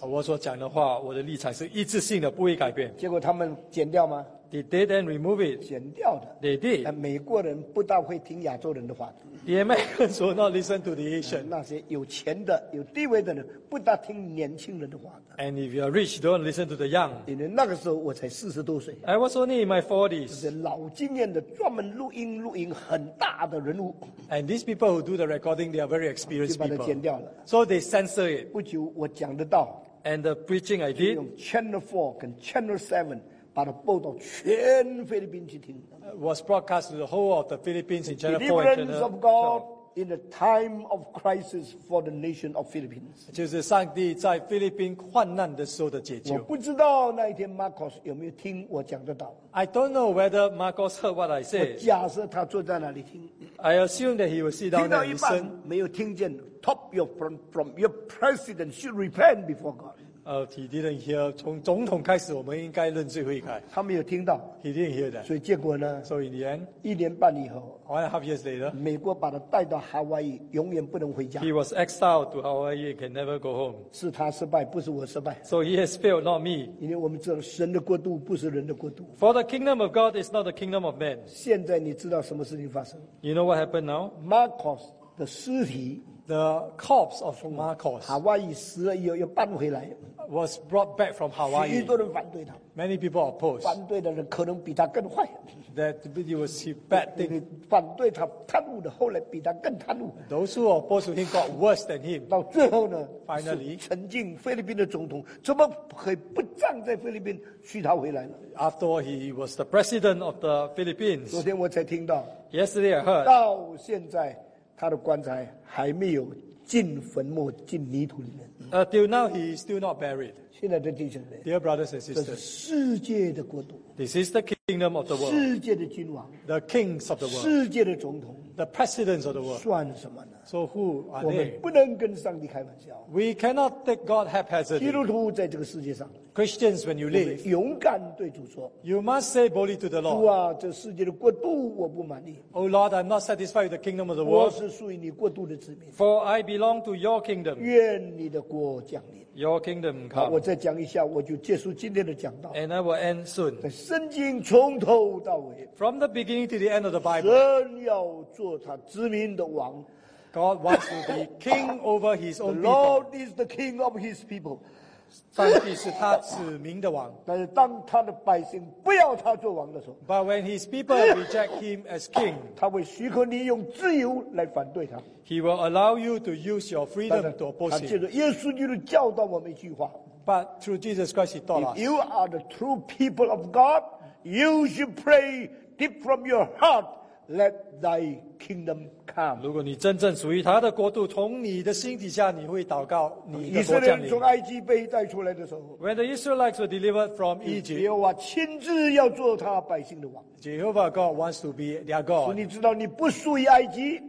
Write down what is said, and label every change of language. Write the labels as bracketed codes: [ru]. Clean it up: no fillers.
[zh] 我所讲的话，我的立场是一致性的，不会改变。结果他们剪掉吗 [en] ？They didn't remove it. [zh] 剪掉的。 [en] They did. [zh] 但美国人不大会听亚洲人的话。 [en] The Americans will not listen to the Asian. [zh] 那些有钱的、有地位的人不大听年轻人的话。 [en] And if you are rich, don't listen to the young. [zh] 因为那个时候我才四十多岁。 [en] I was only in my forties. [zh] 这些老经验的、专门录音很大的人物。 [en] And these people who do the recording, they are very experienced people. [zh] 就把它剪掉了。 [en] So they censor it. [zh] 不久我讲得到。 [en] And the preaching I did. [zh] 用 Channel 4 跟 Channel 7把它播到全菲律宾去听。 [en] Was broadcast to the whole of the Philippines in Channel 4 and Deliverance of God. In a time of crisis for the nation of Philippines, [zh] 就是上帝在菲律宾患难的时候的解救。我不知道那一天 Marcos 有没有听我讲的道。 [en] I don't know whether Marcos heard what I said. [zh] 我假设他坐在那里听。 [en] I assume that he was sitting down there listening. [zh] 听到一半没有听见 [en] ，top from your president should repent before God. He didn't hear. [zh] 从总统开始，我们应该认罪悔改。他没有听到。 [en] He didn't hear that. [zh] 所以结果呢 [en] ？So in the end, [zh] 一年半以后。 [en] One and a half years later, [zh] 美国把他带到 Hawaii， 永远不能回家。 [en] He was exiled to Hawaii, can never go home. [zh] 是他失败，不是我失败。 [en] So he has failed, not me. [zh] 因为我们知道神的国度不是人的国度。 [en] For the kingdom of God is not the kingdom of man. [zh] 现在你知道什么事情发生 [en] ？You know what happened now? [zh] Marcos 的尸体 [en] ，the corpse of Marcos, [zh] Hawaii 死了以后又搬回来。 [en] Was brought back from Hawaii. [zh] 许多人反对他。 [en] Many people oppose. [zh] 反对的人可能比他更坏。 [en] That video was a bad thing. [zh] 反对他贪污的后来比他更贪污。 [en] Those who opposed to him got worse than him. [zh] 到最后呢 [en] ？Finally, [zh] 曾经菲律宾的总统怎么可以不站在菲律宾去他回来呢 [en] ？After all, he was the president of the Philippines. [zh] 昨天我才听到。 [en] Yesterday I heard. [zh] 到现在，他的棺材还没有进坟墓、进泥土里面。 [en] Till now, he is still not buried. [zh] 现在的弟兄们 [en] ，Dear brothers and sisters, [zh] 这是世界的国度。 [en] This is the kingdom of the world. [zh] 世界的君王 [en] ，The kings of the world. [zh] 世界的总统 [en] ，The presidents of the world. [zh] 算什么呢 [en] ？So who are they? [zh] 我们不能跟上帝开玩笑。 [en] We cannot take God haphazardly. [zh] 基督徒在这个世界上 [en] ，Christians, when you live, [zh] 我们勇敢对主说 [en] ，You must say boldly to the Lord. [zh] 主啊，这世界的国度我不满意。 [en] Oh Lord, I'm not satisfied with the kingdom of the world. [zh] 我是属于你国度的子民。 [en] For I belong to your kingdom. [zh] 愿你的国降临。 [en] Your kingdom come. [zh] 我再讲一下，我就结束今天的讲道。 [en] And I will end soon. [zh] 圣经从头到尾。 [en] From the beginning to the end of the Bible. [zh] 神要做他子民的王。 [en] God wants to be king over his own people. The Lord is the king of his people. [zh] 上帝是他子民的王。但是当他的百姓不要他做王的时候。 [en] But when his people reject him as king. [zh] 他会许可你用自由来反对他。 [en] He will allow you to use your freedom to oppose him. [zh] 他借着耶稣基督教导我们一句话。 [en] But through Jesus Christ, he taught us. If you are the true people of God, you should pray deep from your heart Let thy kingdom come. [zh] 如果你真正属于他的国度，从你的心底下，你会祷告你的国降临。以色列人从埃及被带出来的时候 [en] ，When the Israelites were delivered from Egypt， [zh] 耶和华亲自要做他百姓的王。 [en] Jehovah God wants to be their God。 [zh] 所以你知道你不属于埃及